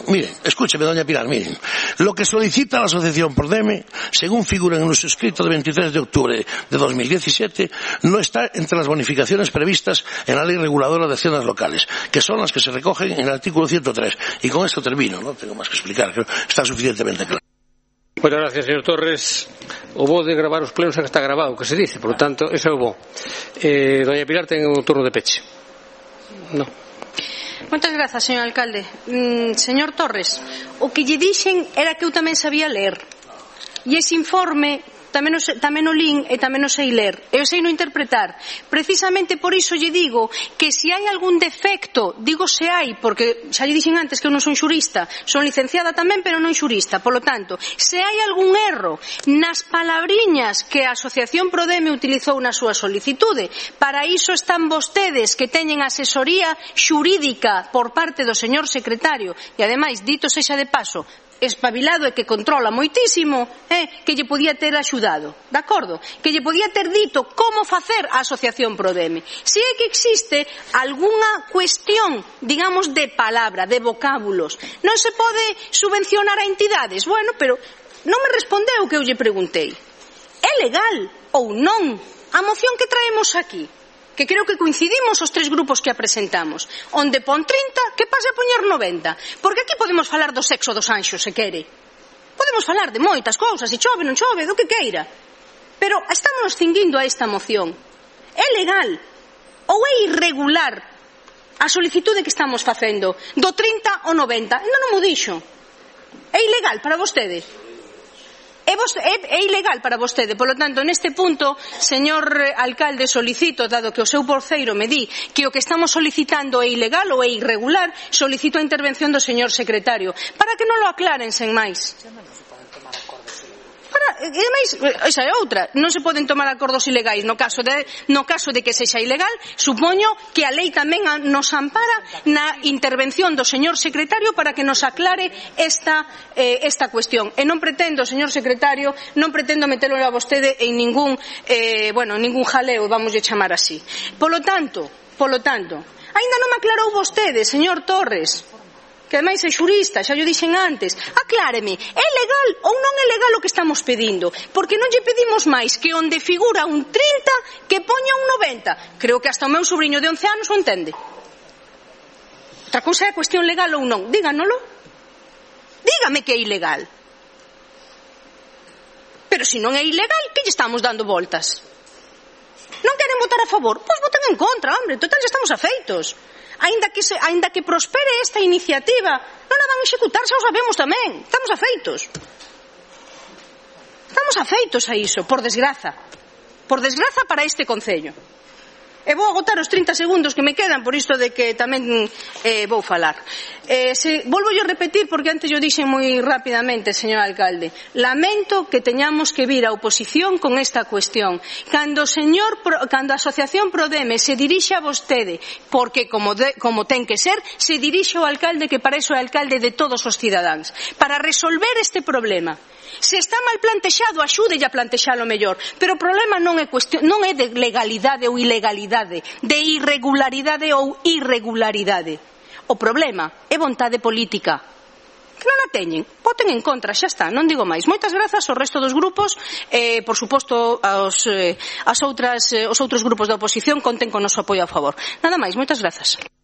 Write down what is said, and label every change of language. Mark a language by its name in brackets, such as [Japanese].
[Spanish] Miren, escúcheme, doña Pilar, miren. Lo que solicita la asociación Prodeme, según figura en los escritos de 23 de octubre de 2017, no está entre las bonificaciones previstas en la ley reguladora de haciendas locales, que son las que se recogen en el artículo 103. Y con esto termino, no tengo más que explicar, creo que está suficientemente claro. Muchas gracias, señor Torres. Hubo de grabar los plenos, está grabado, que se dice, por lo tanto, eso hubo. Doña Pilar, tengo un turno de peche. No. Muchas gracias, señor alcalde. [Galician] Señor Torres, o que lle dixen era que eu tamén sabía ler. E ese informe tamén o lin e tamén o sei ler. Eu sei no interpretar. Precisamente por iso lle digo que se hai algún defecto, digo se hai, porque xa lle dixen antes que eu non son xurista, son licenciada tamén, pero non xurista. Por lo tanto, se hai algún erro nas palabriñas que a Asociación Prodeme utilizou na súa solicitude, para iso están vostedes que teñen asesoría xurídica por parte do señor secretario, e ademais, dito sexa de paso, espabilado e que controla moitísimo, que lle podía ter axudado, de acordo? Que lle podía ter dito como facer a Asociación Prodeme. Si é que existe alguna cuestión, digamos, de palabra, de vocábulos, non se pode subvencionar a entidades. Bueno, pero non me respondeu o que eu lle preguntei. É legal ou non a moción que traemos aquí? Que creo que coincidimos os tres grupos que a presentamos. Onde pon 30, que pase a poñer 90. Porque aquí podemos falar do sexo dos anxos, se quere. Podemos falar de moitas cousas, se chove, non chove, do que queira. Pero estamos cinguindo a esta moción. É legal ou é irregular a solicitude que estamos facendo do 30 ou 90? Non mo dixo. É ilegal para vostede. É ilegal para vostede, polo tanto, neste punto, señor alcalde, solicito, dado que o seu porceiro me di que o que estamos solicitando é ilegal ou é irregular, solicito a intervención do señor secretario, para que non lo aclaren sen máis. E ademais, esa é outra, non se poden tomar acordos ilegais no caso de que sexa ilegal. Supoño que a lei tamén nos ampara na intervención do señor secretario para que nos aclare esta cuestión. E non pretendo, señor secretario, non pretendo metelo a vostede en ningún jaleo, vamos a chamar así. Polo tanto, ainda non me aclarou vostede, señor Torres, que ademais é xurista, xa yo dixen antes, acláreme, é legal ou non é legal o que estamos pedindo? Porque non lle pedimos máis que onde figura un 30, que poña un 90. Creo que hasta o meu sobrinho de 11 anos o entende. Outra cousa é cuestión legal ou non, díganolo. Dígame que é ilegal. Pero se non é ilegal, que lle estamos dando voltas? Non queren votar a favor? Pois voten en contra, hombre, total, xa estamos afeitos. Ainda que prospere esta iniciativa, non a van executar, xa o sabemos tamén. Estamos afeitos a iso, por desgraza. Por desgraza para este concello. E vou agotar os 30 segundos que me quedan por isto de que tamén vou falar. Volvo yo a repetir, porque antes yo dixen moi rapidamente, señor alcalde. Lamento que teñamos que vir a oposición con esta cuestión. Cando a Asociación Prodeme se dirixe a vostede, porque como ten que ser, se dirixe ao alcalde, que para iso é alcalde de todos os cidadáns, para resolver este problema. Se está mal plantexado, axúdelle a plantexalo mellor. Pero o problema non é de legalidade ou ilegalidade, de irregularidade ou irregularidade. O problema é vontade política, que non a teñen, voten en contra, xa está, non digo máis. Moitas grazas ao resto dos grupos, por suposto aos outros grupos da oposición, conten con o noso apoio a favor. Nada máis, moitas grazas.